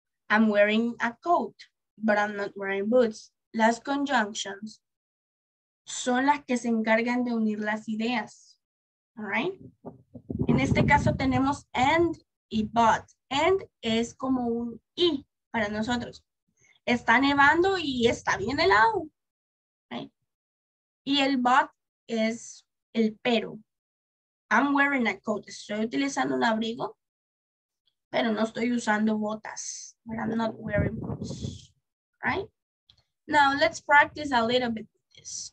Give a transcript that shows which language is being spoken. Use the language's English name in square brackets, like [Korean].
[English] I'm wearing a coat, but I'm not wearing boots. [Spanish] Las conjunctions son las que se encargan de unir las ideas. All right? En este caso tenemos and y but. And es como un y para nosotros. Está nevando y está bien helado, right? Y el but es el pero. [English] I'm wearing a coat. [Spanish] Estoy utilizando un abrigo, pero no estoy usando botas. [English] I'm not wearing boots, right? Now, let's practice a little bit with this.